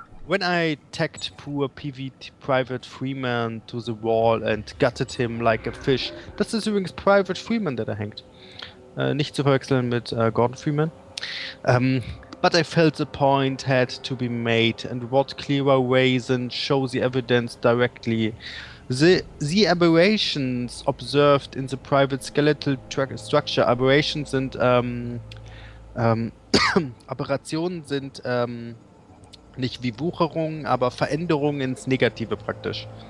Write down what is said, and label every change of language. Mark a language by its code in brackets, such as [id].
[en] When I tacked poor PVT Private Freeman to the wall and gutted him like a fish. [de] Das ist übrigens Private Freeman, der da hängt. Nicht zu verwechseln mit Gordon Freeman. [en] But I felt the point had to be made. And what clearer way than show the evidence directly? The aberrations observed in the private skeletal structure. [de] Aberrations sind, Aberrationen sind nicht wie Wucherungen, aber Veränderungen ins Negative praktisch.